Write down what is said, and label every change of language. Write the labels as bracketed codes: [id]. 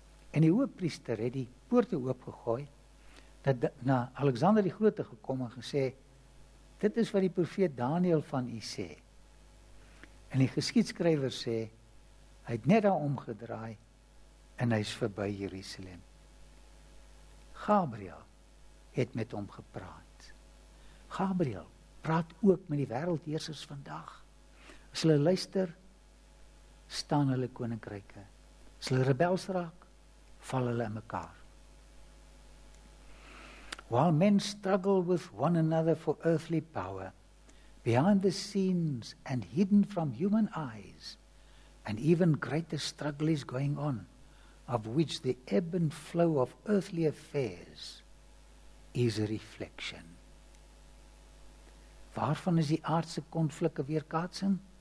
[af] En die hoofpriester het die poorte oopgegooi, dat na Alexander die Grote gekom en gesê, dit is wat die profeet Daniel van u sê. En die geskiedskrywer sê, hy het net daar omgedraai en hy is verby Jerusalem. Gabriel het met hom gepraat. Gabriel praat ook met die wêreldheersers vandag. As hulle luister, staan hulle koninkryke. As hulle rebels raak, val hulle in mekaar. [en] While men struggle with one another for earthly power, behind the scenes and hidden from human eyes, an even greater struggle is going on, of which the ebb and flow of earthly affairs is a reflection. [af] Waarvan is die aardse konflik 'n weerkaatsing?